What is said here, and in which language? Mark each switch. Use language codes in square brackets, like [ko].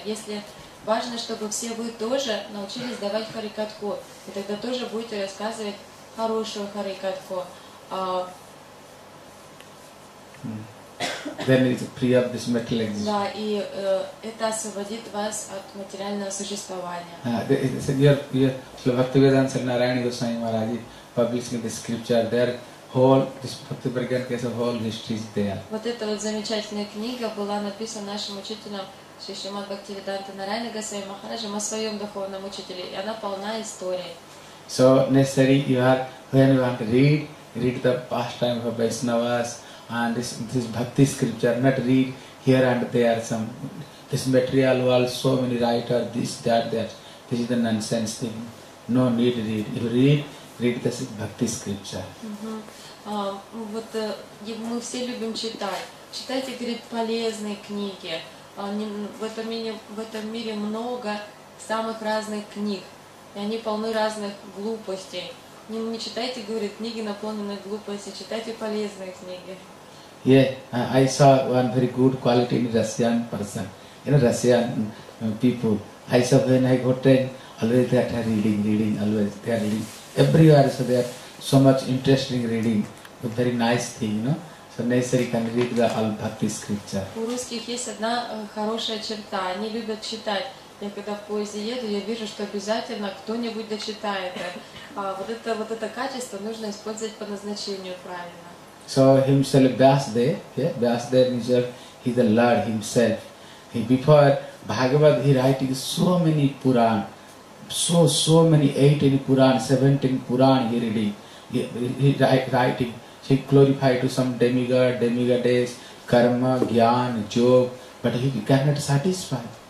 [ru] Если важно, чтобы все вы тоже научились давать харикатху, и тогда тоже будете рассказывать хорошую харикатху. [en] Then it's free of this material existence. [ru] Да, и это освободит вас от материального существования. [en] Your Bhaktivedanta Sarnarayana Goswami Maharaj publishing the scripture, their whole, this Bhaktivedanta case of whole history is there. [ru] Вот эта вот замечательная книга была написана нашим учителем Шри Шримад Бхактивиданта Нарайана Госвами Махараджем о своем духовном учителе, и она полна историй. [en] So necessary you are, when you want to read the pastime of Vaishnavas, and this bhakti scripture, not read here and there some this material world, so many writer, this, that. This is the nonsense thing. No need to read. If you read this bhakti scripture. [ru] Мы все любим читать. Читайте, говорит, полезные книги. В этом мире много самых разных книг. И они полны разных глупостей. Не читайте, говорит, книги, наполненные глупостью, читайте полезные книги. [en] Yeah, I saw one very good quality in Russian person, you know, Russian people. I saw when I got trained, always they are reading, always they are reading. Everywhere, so they are so much interesting reading, a very nice thing, you know. So necessary can read the all bhakti scripture. [ru] У русских есть одна хорошая черта, они любят читать. Я когда в поезде еду, я вижу, что обязательно кто-нибудь дочитает. Вот это качество нужно использовать по назначению правильно. [en] So himself Vyasadeva himself, he is the Lord himself. He before Bhagavad, he writing so many Puran, so many 18 Puran, 17 Puran he reading. He writing, he glorified to some demigoddess, karma, jnana, yoga, but he cannot satisfy.